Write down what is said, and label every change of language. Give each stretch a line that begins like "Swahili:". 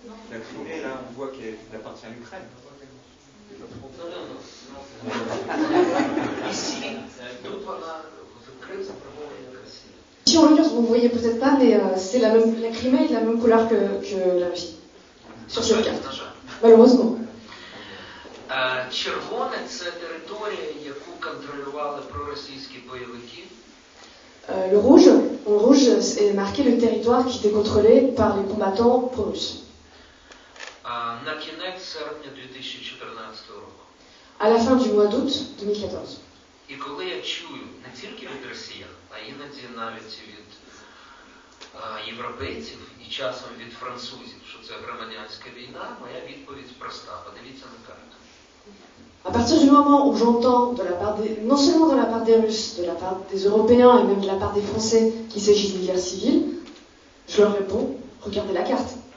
French: La Crimée, là, on voit qu'elle appartient à l'Ukraine. Ici, tout voilà, votre Crim
Ukrainian: зафарбований як Росія.
French: Ici, en l'occurrence, vous ne voyez peut-être pas, mais c'est la Crimée est de la même couleur que la Russie. Sur cette carte. Malheureusement.
Ukrainian: Червоне – це територія, яку контролювали проросійські бойовики.
French: Le rouge, en rouge, est marqué le territoire qui était contrôlé par les combattants pro-russes.
Ukrainian: На кінець серпня 2014 року.
French: À la fin du mois d'août 2014.
Ukrainian: І коли я чую не тільки від росіян, а іноді навіть від європейців і часом від французів, що це громадянська війна, моя відповідь проста. Подивіться на карту.
French: À partir du moment où j'entends, non seulement de la part des Russes, de la part des Européens et même de la part des Français qu'il s'agit d'une guerre civile, je leur réponds, regardez la carte.